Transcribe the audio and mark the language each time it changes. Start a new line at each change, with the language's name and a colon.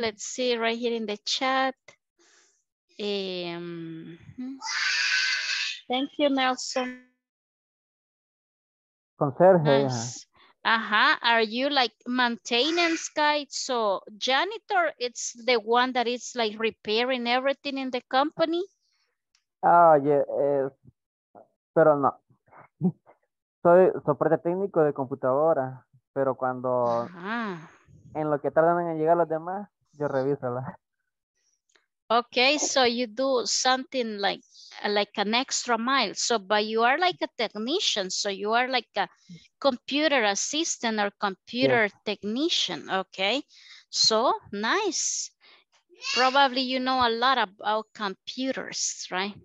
English: Let's see right here in the chat. Thank you, Nelson.
Spanish: Conserje.
English: Nice. Are you like maintenance guy? So janitor, it's the one that is like repairing everything in the company?
Spanish: Oh, yeah, pero no. Soy soporte técnico de computadora, pero cuando en lo que tardan en llegar los demás, yo reviso la.
English: Okay, so you do something like an extra mile. So, but you are like a technician. So you are like a computer assistant or computer yes. Technician. Okay, so nice. Probably you know a lot about computers, right?